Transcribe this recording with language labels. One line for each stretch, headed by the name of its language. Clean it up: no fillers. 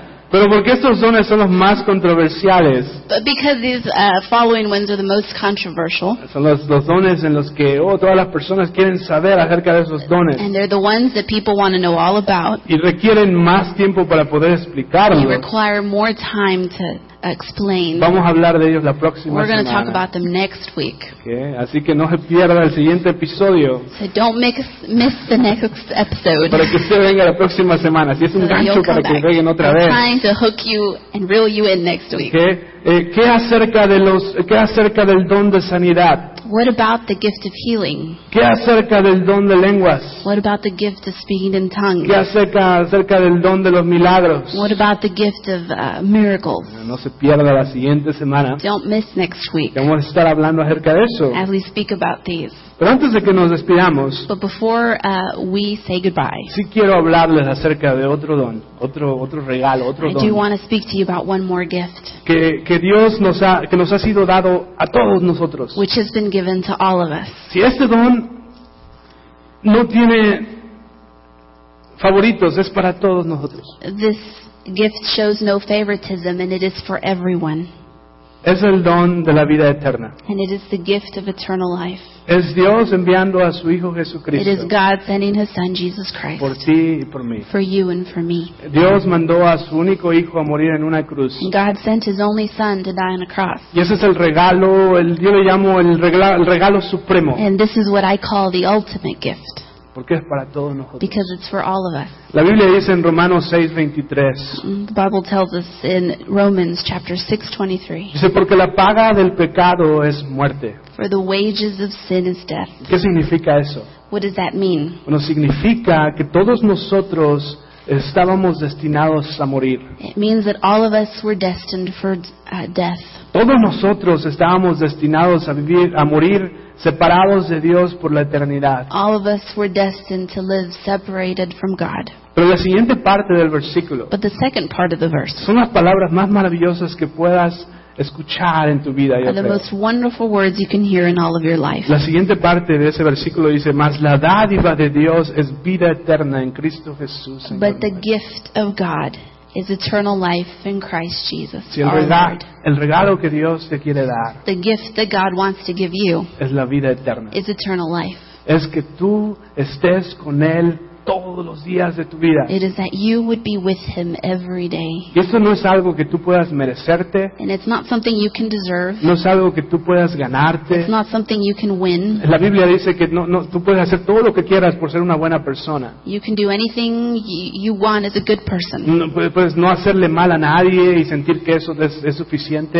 Spanish: Pero porque estos dones son los más controversiales.
English: But because these following ones are the most controversial.
Spanish: Son los dones en los que todas las personas quieren saber acerca de esos dones.
English: And they're the ones that people want to know all about.
Spanish: Y requieren más tiempo para poder explicarlos.
English: They require more time to explain.
Spanish: Vamos a hablar de ellos la próxima
English: we're
Spanish: semana.
English: We're going to talk about them next week.
Spanish: Okay, así que no se pierda el siguiente episodio.
English: So don't miss the next episode.
Spanish: Para que usted venga la próxima semana. Si es un
English: so
Spanish: gancho para
English: back.
Spanish: Que lleguen otra
English: I'm
Spanish: vez.
English: Trying to hook you and reel you in next week.
Spanish: Okay. ¿Qué acerca del don de sanidad?
English: What about the gift of healing?
Spanish: ¿Qué acerca del don de lenguas?
English: What about the gift of speaking in tongues?
Spanish: ¿Qué acerca del don de los milagros?
English: What about the gift of miracles?
Spanish: No se pierda la siguiente semana.
English: Don't miss next week.
Spanish: Vamos a estar hablando acerca de eso.
English: As we speak about these.
Spanish: Pero antes de que nos despidamos,
English: but before we say goodbye,
Spanish: sí quiero hablarles acerca de otro don, otro regalo, otro
English: I
Spanish: don.
English: I do want to speak to you about one more gift.
Spanish: Que Dios nos ha sido dado a todos nosotros.
English: Which has been given to all of us.
Spanish: Si este don no tiene favoritos, es para todos nosotros.
English: This gift shows no favoritism and it is for everyone.
Spanish: Es el don de la vida eterna.
English: And it is the gift of eternal life.
Spanish: Es Dios enviando a su Hijo Jesucristo.
English: It is God sending His Son, Jesus Christ.
Spanish: Por ti y por mí.
English: For you and for me.
Spanish: Dios mandó a su único Hijo a morir en una cruz.
English: And God sent His only Son to die on a cross.
Spanish: Y ese es el regalo, yo le llamo el regalo supremo.
English: And this is what I call the ultimate gift.
Spanish: Porque es para todos nosotros.
English: Because it's for all of us.
Spanish: La Biblia dice en Romanos 6:23.
English: The Bible tells us in Romans chapter 6:23.
Spanish: Dice porque la paga del pecado es muerte.
English: For the wages of sin is death.
Spanish: ¿Qué significa eso?
English: What does that mean?
Spanish: Bueno, significa que todos nosotros estábamos destinados a morir.
English: It means that all of us were destined for death.
Spanish: Todos nosotros estábamos destinados a morir separados de Dios por la eternidad.
English: All of us were destined to live separated from God.
Spanish: Pero la siguiente parte del versículo,
English: but the second part of the verse,
Spanish: son las palabras más maravillosas que puedas escuchar en tu vida,
English: are the most wonderful words you can hear in all of your life.
Spanish: La siguiente parte de ese versículo dice, mas la dádiva de Dios es vida eterna en Cristo Jesús.
English: But the gift of God is eternal life in Christ Jesus.
Spanish: Si el regalo, el regalo que Dios te quiere dar,
English: the gift that God wants to give you,
Spanish: es la vida eterna,
English: is eternal life.
Spanish: Es que tú estés con él todos los días de tu vida.
English: It is that you would be with him every day.
Spanish: Y esto no es algo que tú puedas merecerte.
English: And it's not something you can deserve.
Spanish: No es algo que tú puedas ganarte.
English: It's not something you can win.
Spanish: La Biblia dice que no tú puedes hacer todo lo que quieras por ser una buena persona.
English: You can do anything you want as a good person.
Spanish: No, puedes no hacerle mal a nadie y sentir que eso es suficiente.